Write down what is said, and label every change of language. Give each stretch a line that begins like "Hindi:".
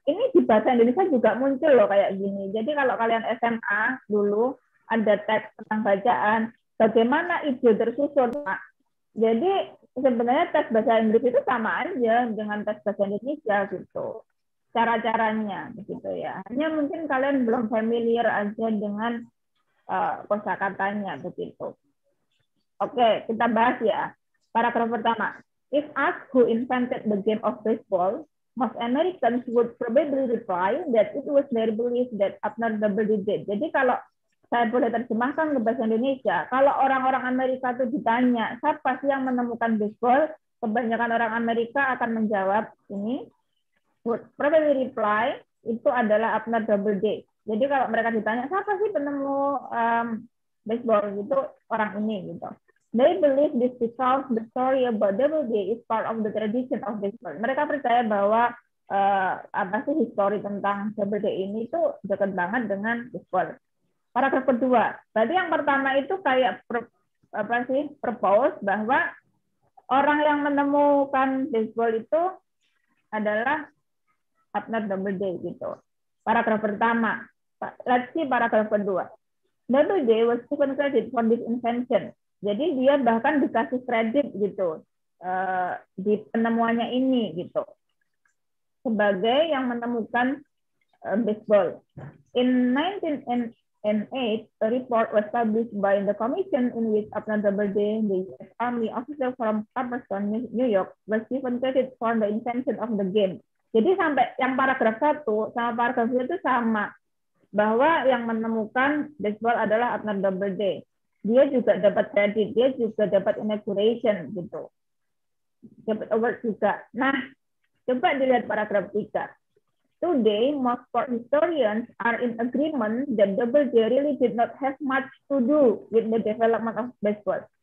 Indonesian: Ini di bahasa Indonesia juga muncul loh kayak gini. Jadi kalau kalian SMA dulu, ada teks tentang bacaan, bagaimana ide tersusun, Pak? Jadi sebenarnya teks bahasa Inggris itu sama aja dengan teks bahasa Indonesia gitu. Cara-caranya begitu ya. Hanya mungkin kalian belum familiar aja dengan kosakatanya begitu. Oke, kita bahas ya. Paragraf pertama.
English: If asked who invented the game of baseball, most Americans would probably reply that it was their belief that Abner Doubleday did.
Indonesian: Jadi kalau saya boleh terjemahkan ke bahasa Indonesia, kalau orang-orang Amerika itu ditanya, siapa sih yang menemukan baseball? Kebanyakan orang Amerika akan menjawab ini.
English: Would probably reply,
Indonesian: itu adalah Abner Doubleday. Jadi kalau mereka ditanya, siapa sih penemu baseball gitu, orang ini gitu.
English: They believe this because the story about Doubleday is part of the tradition of baseball.
Indonesian: Mereka percaya bahwa apa sih histori tentang Doubleday ini itu dekat banget dengan baseball. Paragraf kedua, berarti yang pertama itu kayak propose bahwa orang yang menemukan baseball itu adalah Abner Doubleday gitu. Paragraf pertama,
English: let's see
Indonesian: paragraf kedua.
English: Doubleday was given credit for this invention.
Indonesian: Jadi dia bahkan dikasih kredit gitu di penemuannya ini gitu sebagai yang menemukan baseball.
English: In 1908, a report was published by the commission in which Abner Doubleday, the U.S. Army officer from Charleston, New York, was given credit for the invention of the game.
Indonesian: Jadi sampai yang paragraf 1 sama paragraf 2 itu sama. Bahwa yang menemukan baseball adalah Abner Doubleday. Dia juga dapat credit, dia juga dapat inauguration gitu. Dapat award juga. Nah, coba dilihat paragraf 3.
English: Today, most sport historians are in agreement that Doubleday really did not have much to do with the development of baseball.